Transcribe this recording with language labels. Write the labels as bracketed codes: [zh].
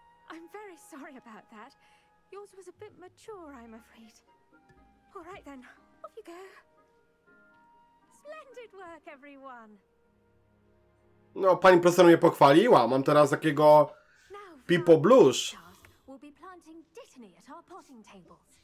[en] I'm very sorry about that. Yours was a bit mature, I'm afraid. All right then, off you go. Splendid work, everyone. [pl] No, pani profesor mnie pochwaliła. Mam teraz takiego Pippo Blush. [en] We'll be planting dittany at our potting table.